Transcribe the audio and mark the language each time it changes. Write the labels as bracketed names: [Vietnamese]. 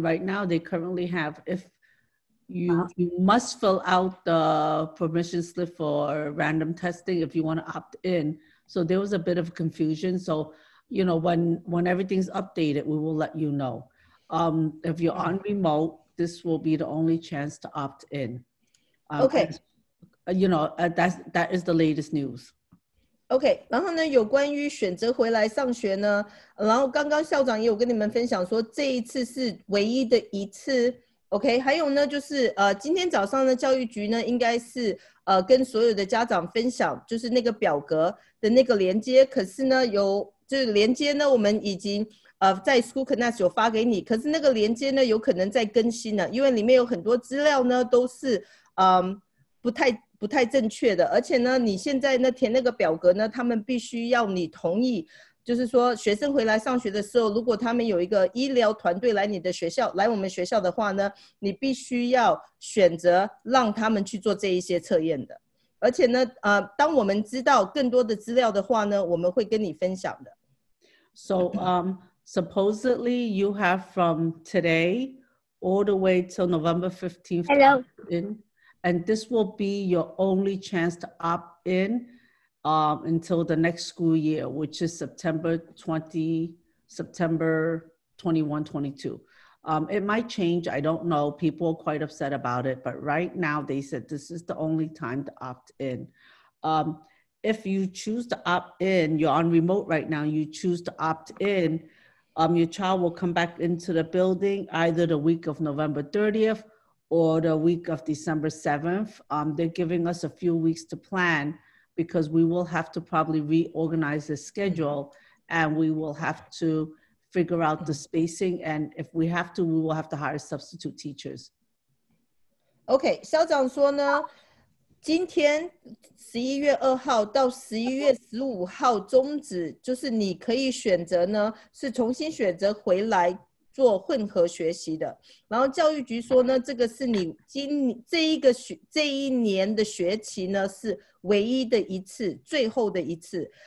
[English] Right now, they currently have, if you, you must fill out the permission slip for random testing if you want to opt in. So there was a bit of confusion. So, you know, when everything's updated, we will let you know. If you're on remote,this will be the only chance to opt in. Okay. You know, that is the latest news. [Chinese] Okay, 然后呢，有关于选择回来上学呢，然后刚刚校长也有跟你们分享说，这一次是唯一的一次。 Okay, 还有呢，就是今天早上呢，教育局呢，应该是跟所有的家长分享，就是那个表格的那个连接，可是呢，有，就是连接呢，我们已经在 School Connect 有发给你，可是那个连接呢，有可能在更新呢，因为里面有很多资料呢，都是不太正确的，而且呢，你现在呢填那个表格呢，他们必须要你同意，就是说学生回来上学的时候，如果他们有一个医疗团队来你的学校，来我们学校的话呢，你必须要选择让他们去做这一些测验的，而且呢，当我们知道更多的资料的话呢，我们会跟你分享的。 [English] So, supposedly you have from today all the way till November 15th. Hello. And this will be your only chance to opt in until the next school year, which is September 21, 22. It might change. I don't know. People are quite upset about it. But right now they said this is the only time to opt in. If you choose to opt in, you're on remote right now, you choose to opt in, your child will come back into the building either the week of November 30th or the week of December 7th. They're giving us a few weeks to plan because we will have to probably reorganize the schedule and we will have to figure out the spacing. And if we have to, we will have to hire substitute teachers. [Chinese] Okay, 校长说呢今天十一月二号到十一月十五号终止，就是你可以选择呢，是重新选择回来做混合学习的。然后教育局说呢，这个是你今这一个学这一年的学期呢是唯一的一次，最后的一次。